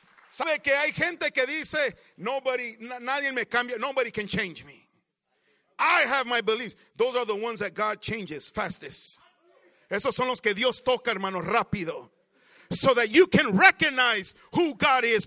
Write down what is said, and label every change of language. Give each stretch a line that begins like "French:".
Spanish: ¿Sabe que hay gente que dice, nadie me cambia, nobody can change me?
English: I have my beliefs. Those are the ones that God changes fastest.
Spanish: Esos son los que Dios toca, hermanos, rápido.
English: So that you can recognize who God is.